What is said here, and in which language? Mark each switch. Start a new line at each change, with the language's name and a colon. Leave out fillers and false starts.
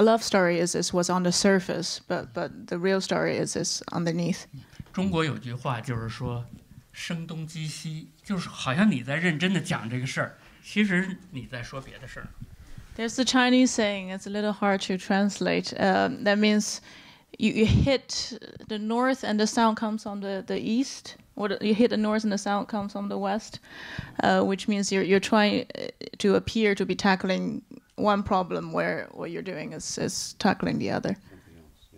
English: love story is what's on the surface, but the real story is underneath.
Chinese: 中国有句话就是说声东击西，就是好像你在认真的讲这个事儿，其实你在说别的事儿。There's
English: the Chinese saying, it's a little hard to translate. That means You hit the north and the sound comes on the east, or you hit the north and the sound comes on the west, which means you're trying to appear to be tackling one problem where what you're doing is tackling the other, something else.